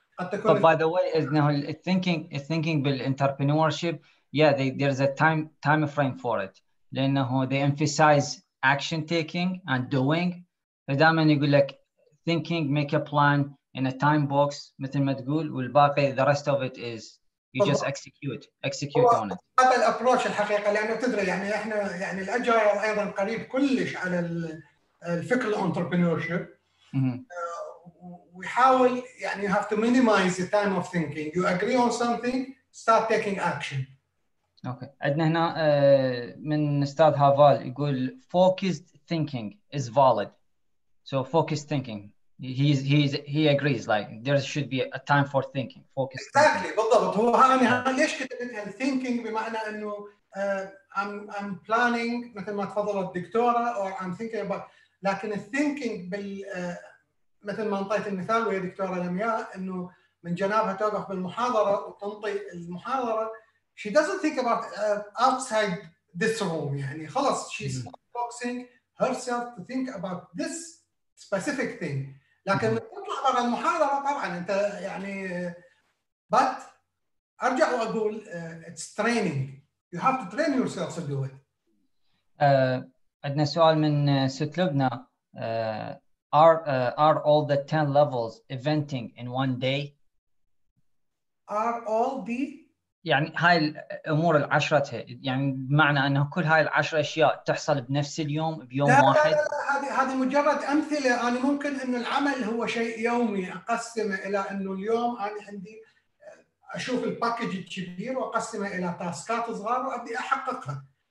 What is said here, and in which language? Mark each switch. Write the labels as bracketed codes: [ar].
[ar] قد تكون طب [en] by the way إنه thinking بالentrepreneurship yeah there's a time frame for it لأنه they emphasize action taking and doing [ar] فدائما يقول لك [en] thinking make a plan in a time box [ar] مثل ما تقول والباقي [en] the rest of it is you just execute on it [ar] هذا الابروش الحقيقة لأنه تدري يعني احنا يعني الأجايل أيضا قريب كلش على الفكر الانتربرينورشيب ويحاول يعني [en] you have to minimize the time of thinking you agree on something start taking action [ar] اوكي عندنا هنا من استاذ هافال يقول [en] focused thinking is valid so focused thinking he agrees like there should be a time for thinking focused exactly thinking. [ar] بالضبط هو انا ليش كتبت thinking بمعنى انه [en] I'm planning [ar] مثل ما تفضل الدكتوره [en] or I'm thinking about [ar] لكن thinking بال مثل ما انطيت المثال ويا دكتوره لمياء انه من جنابها توقف بالمحاضره وتنطي المحاضره [en] She doesn't think about outside this room. [ar] يعني خلاص [en] she's focusing herself to think about this specific thing. [ar] لكن تطلع برا المحاضرة طبعاً أنت يعني but أرجع وأقول [en] it's training. You have to train yourself to do it. [ar] عندنا سؤال من سوتلبنا. [en] Are all the 10 levels eventing in one day? Are all the [ar] يعني هاي الأمور العشرتها يعني معنى أنه كل هاي العشرة أشياء تحصل بنفس اليوم بيوم لا واحد لا هذه مجرد أمثلة أنا يعني ممكن أن العمل هو شيء يومي أقسمه إلى أنه اليوم أنا عندي أشوف الباكيج الكبير وأقسمه إلى تاسكات صغار وأبدي أحققها